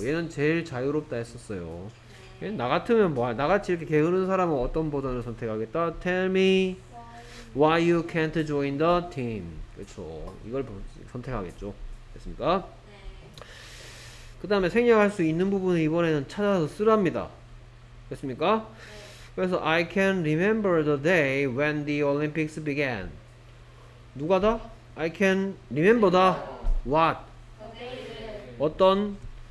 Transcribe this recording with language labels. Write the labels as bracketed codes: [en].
[ko] 얘는 제일 자유롭다 했었어요. 나 같으면 뭐 나같이 이렇게 게으른 사람은 어떤 버전을 선택하겠다? [en] Tell me why you can't join the team. [ko] 그렇죠. 이걸 선택하겠죠. 됐습니까? 그 다음에 생략할 수 있는 부분을 이번에는 찾아서 쓰랍니다. 됐습니까? 그래서 [en] I can remember the day when the Olympics began. [ko] 누가 다? [en] I can remember the what? [ko] 어떤?